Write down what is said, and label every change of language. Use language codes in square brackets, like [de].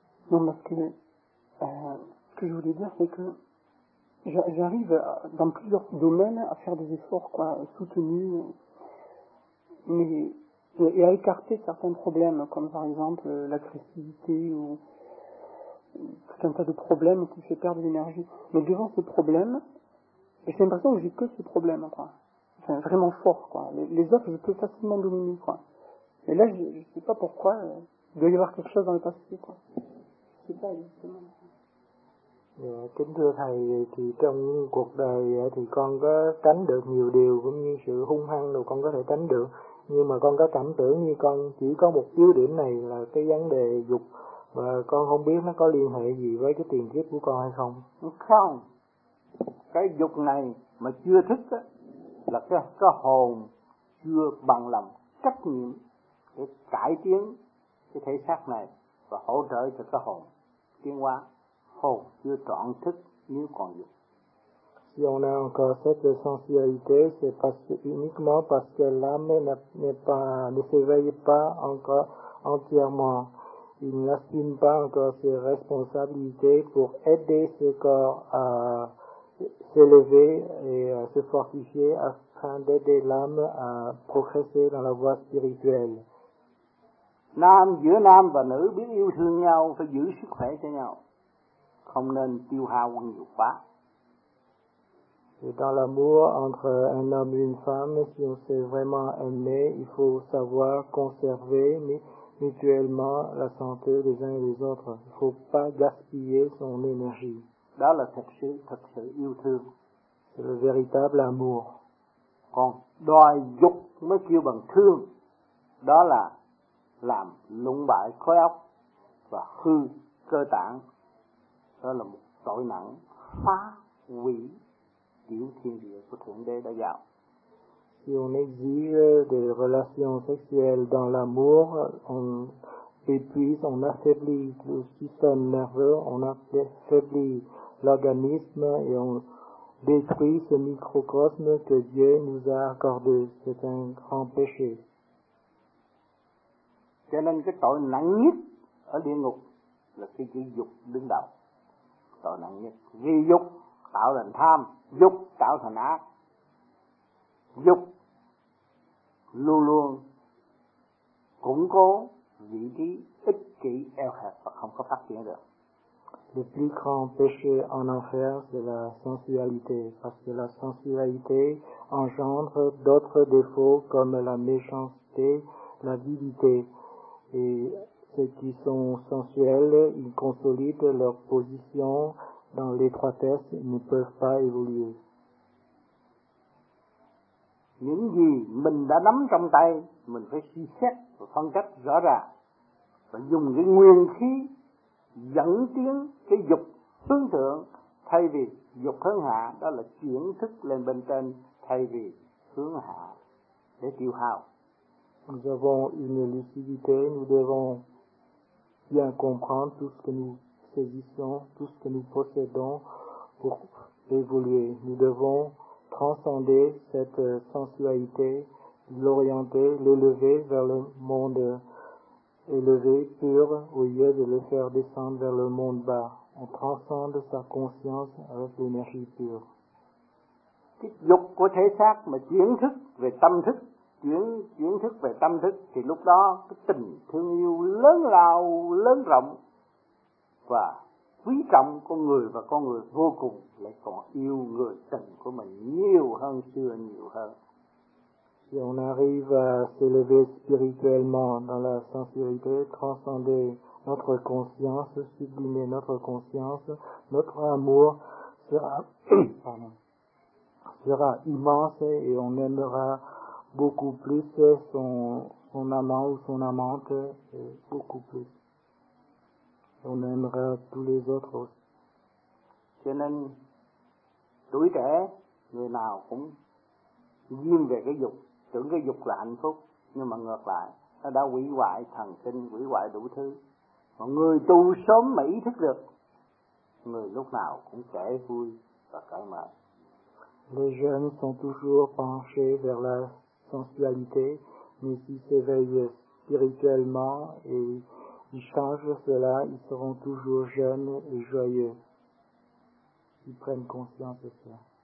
[fr] Non, parce que ce que je voulais dire, c'est que j'arrive dans plusieurs domaines à faire des efforts quoi, soutenus mais, et à écarter certains problèmes, comme par exemple l'agressivité ou tout un tas de problèmes qui fait perdre l'énergie. Mais devant ces problèmes, j'ai l'impression que j'ai que ce problème, quoi. Enfin, vraiment fort, quoi. Les autres, je peux facilement dominer, quoi. Et là, je sais pas pourquoi, il doit y avoir quelque chose dans le passé, quoi. [vi] Kính thưa thầy, thì trong cuộc đời thì con có tránh được nhiều điều cũng như sự hung hăng đồ con có thể tránh được, nhưng mà con có cảm tưởng như con chỉ có một yếu điểm này là cái vấn đề dục, và con không biết nó có liên hệ gì với cái tiền kiếp của con hay không. Không, cái dục này mà chưa thức á là cái hồn chưa bằng lòng trách nhiệm để cải tiến cái thể xác này và hỗ trợ cho cái hồn tiến hóa, hồn chưa trọn thức nếu còn dục. [fr] Si on a encore cette sensibilité, c'est parce que, uniquement parce que l'âme ne s'éveille pas encore entièrement. Il n'assume pas encore ses responsabilités pour aider ce corps à s'élever et à se fortifier afin d'aider l'âme à progresser dans la voie spirituelle. [vi] Nam, giữa nam và nữ biết yêu thương nhau, phải giữ sức khỏe cho nhau, không nên tiêu hao quân dục quá. [fr] Et dans l'amour entre un homme et une femme, si on s'est vraiment aimé, il faut savoir conserver mutuellement la santé des uns et des autres. Il ne faut pas gaspiller son énergie. [vi] Đó là thật sự yêu thương. [fr] C'est le véritable amour. [vi] Còn đòi dục mới kêu bằng thương. Đó là làm lũng bại khối óc và hư cơ tạng. Đó là một tội nặng phá hủy tiểu thiên địa của Thượng Đế đã dạo. [fr] Si on exige des relations sexuelles dans l'amour, on épuise, on affaiblit le système nerveux, on affaiblit l'organisme et on détruit ce microcosme que Dieu nous a accordé. C'est un grand péché. [vi] Cho nên cái tội nặng nhất ở địa ngục là cái ghi dục đứng đầu. Tội nặng nhất, ghi dục tạo thành tham, dục tạo thành ác. Dục luôn luôn củng cố vị trí ích kỷ eo hẹp và không có phát triển được. [fr] Le plus grand péché en enfer, c'est la sensualité, parce que la sensualité engendre d'autres défauts comme la méchanceté, l'avidité, et ceux qui sont sensuels, ils consolident leur position dans l'étroitesse et ne peuvent pas évoluer. [vi] Những gì mình đã nắm trong tay, mình phải suy xét và phân tích rõ ràng, và dùng cái nguyên khí dẫn tiến cái dục hướng thượng thay vì dục hướng hạ, đó là chuyển thức lên bên trên thay vì hướng hạ để tiêu hao. [fr] Nous avons une lucidité, nous devons bien comprendre tout ce que nous saisissons, tout ce que nous possédons pour évoluer. Nous devons transcender cette sensualité, l'orienter, l'élever vers le monde élevé, pur, au lieu de le faire descendre vers le monde bas. On transcende sa conscience avec l'énergie pure. [vi] Cái dục của thể xác mà chuyển thức về tâm thức, chuyển thức về tâm thức, thì lúc đó cái tình thương yêu lớn lao, lớn rộng và quý trọng con người và con người vô cùng lại còn yêu người tình của mình nhiều hơn xưa nhiều hơn. [fr] Si on arrive à s'élever spirituellement dans la sensualité, transcender notre conscience, sublimer notre conscience, notre amour sera immense et on aimera beaucoup plus son amant ou son amante, et beaucoup plus. On aimera tous les autres. [vi] Cho nên tuổi trẻ người nào cũng nghiêng về cái dục, tưởng cái dục là hạnh phúc, nhưng mà ngược lại nó đã hủy hoại thần kinh, hủy hoại đủ thứ. Mà người tu sớm mà ý thức được, người lúc nào cũng trẻ vui và cởi mở. [fr] Les jeunes sont toujours penchés vers la sensualité, mais s'ils s'éveillent spirituellement et ils changent cela, ils seront toujours jeunes et joyeux. Ils prennent conscience de cela.